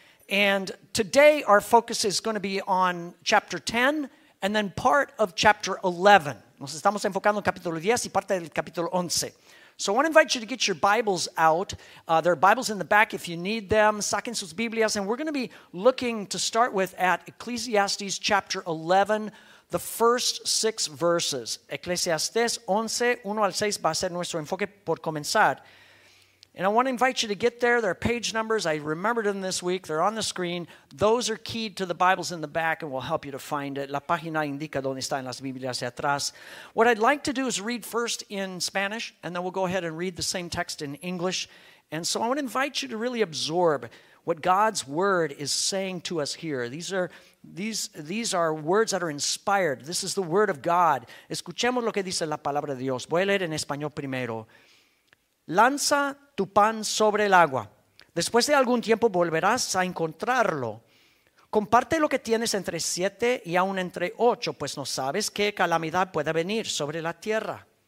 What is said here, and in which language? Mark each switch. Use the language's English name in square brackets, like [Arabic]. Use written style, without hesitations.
[English] And today our focus is going to be on chapter 10 and then part of chapter 11. [Spanish] Nos estamos enfocando en capítulo 10 y parte del capítulo 11. [English] So I want to invite you to get your Bibles out. There are Bibles in the back if you need them. [Spanish] Saquen sus Biblias. [English] And we're going to be looking to start with at Ecclesiastes chapter 11, the first six verses. [Spanish] Ecclesiastes 11, 1 al 6 va a ser nuestro enfoque por comenzar. [English] And I want to invite you to get there. There are page numbers. I remembered them this week. They're on the screen. Those are keyed to the Bibles in the back and will help you to find it. [Spanish] La página indica dónde están las Biblias de atrás. [English] What I'd like to do is read first in Spanish, and then we'll go ahead and read the same text in English. And so I want to invite you to really absorb what God's word is saying to us here. These are words that are inspired. This is the word of God. [Spanish] Escuchemos lo que dice la palabra de Dios. Voy a leer en español primero. Lanza tu pan sobre el agua. Después de algún tiempo volverás a encontrarlo. Comparte lo que tienes entre siete y aún entre ocho, pues no sabes qué calamidad pueda venir sobre la tierra.